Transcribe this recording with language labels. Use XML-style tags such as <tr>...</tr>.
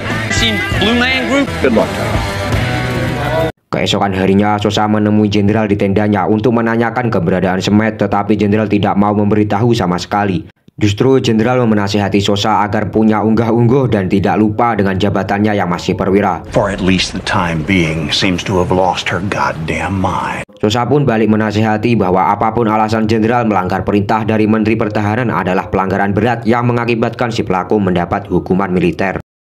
<en>Seen Blue Man Group? Good luck, Tom.</en> <id>Keesokan harinya, Sosa menemui jenderal di tendanya untuk menanyakan keberadaan Smet, tetapi jenderal tidak mau memberitahu sama sekali. Justru jenderal menasihati Sosa agar punya unggah-ungguh dan tidak lupa dengan jabatannya yang masih perwira.</id> <en>For at least the time being, seems to have lost her goddamn mind.</en> <id>Sosa pun balik menasihati bahwa apapun alasan jenderal melanggar perintah dari Menteri Pertahanan adalah pelanggaran berat yang mengakibatkan si pelaku mendapat hukuman militer.</id>